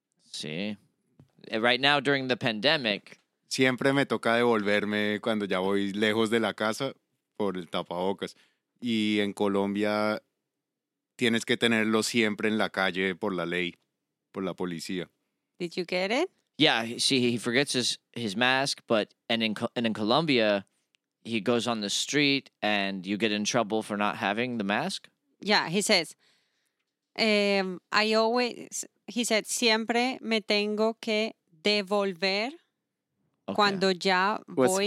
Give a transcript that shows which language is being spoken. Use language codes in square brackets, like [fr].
[en] Sí. Right now, during the pandemic, [es] siempre me toca devolverme cuando ya voy lejos de la casa por el tapabocas. Y en Colombia tienes que tenerlo siempre en la calle por la ley, por la policía. [en] Did you get it? Yeah, see, he forgets his mask, but and in Colombia, he goes on the street and you get in trouble for not having the mask. Yeah, he says, [es] siempre me tengo que devolver cuando ya voy